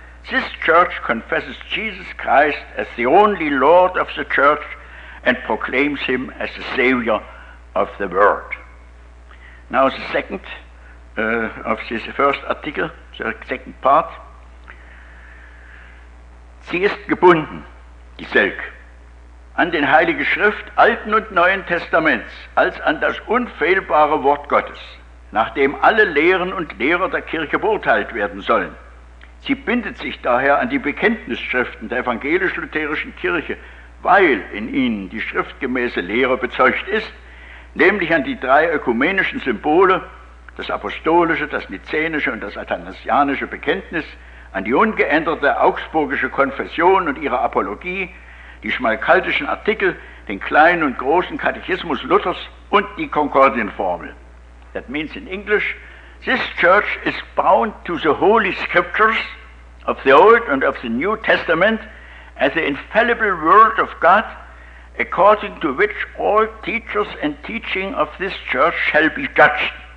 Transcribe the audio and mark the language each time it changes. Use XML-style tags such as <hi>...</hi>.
<en>This church confesses Jesus Christ as the only Lord of the church and proclaims him as the Savior of the world. Now the second of this first article, the second part.</en> <de>Sie ist gebunden, die SELK, an den Heilige Schrift Alten und Neuen Testaments als an das unfehlbare Wort Gottes, nachdem alle Lehren und Lehrer der Kirche beurteilt werden sollen. Sie bindet sich daher an die Bekenntnisschriften der evangelisch-lutherischen Kirche, weil in ihnen die schriftgemäße Lehre bezeugt ist, nämlich an die drei ökumenischen Symbole, das apostolische, das nizänische und das athanasianische Bekenntnis, an die ungeänderte augsburgische Konfession und ihre Apologie, die schmalkaltischen Artikel, den kleinen und großen Katechismus Luthers und die Konkordienformel.</de> <en>That means in English, this church is bound to the holy scriptures of the Old and of the New Testament as the infallible word of God, according to which all teachers and teaching of this church shall be judged.</en>